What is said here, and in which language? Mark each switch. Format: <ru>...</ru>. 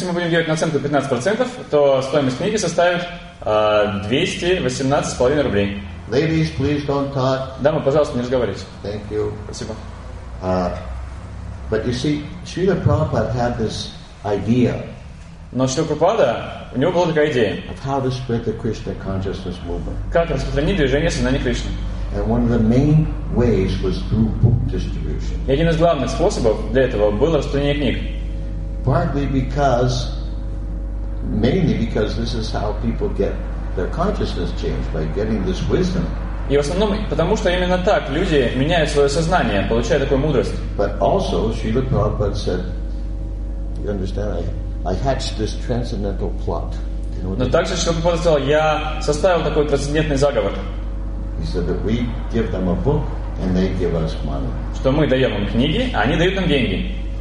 <ru>Если мы будем делать наценку 15%, то стоимость книги составит 218.5 рублей.</ru> <en>Ladies, please don't talk.</en> <ru>Дамы, пожалуйста, не разговаривайте.</ru> <en>Thank you.</en> <ru>Спасибо.</ru> <en>But you see, Srila Prabhupada had this idea.</en> <ru>Но Шрила Прабхупада, у него была такая идея.</ru> <en>Of how to spread the Krishna consciousness movement.</en> <ru>Как распространить движение сознания Кришны?</ru> <en>And one of the main ways was through book distribution.</en> <ru>И один из главных способов для этого было распространение книг.</ru> <en>Partly because, mainly because this is how people get their consciousness changed by getting this wisdom.</en> <ru>И в основном потому, что именно так люди меняют свое сознание, получая такую мудрость.</ru> <en>But also, Srila Prabhupada said, you understand, I hatched this transcendental plot.</en> <ru>Но также Srila Prabhupada сказал, я составил такой трансцендентный заговор.</ru> <en>He said that we give them a book and they give us money.</en> <ru>Что мы даем им книги, а они дают нам деньги.</ru>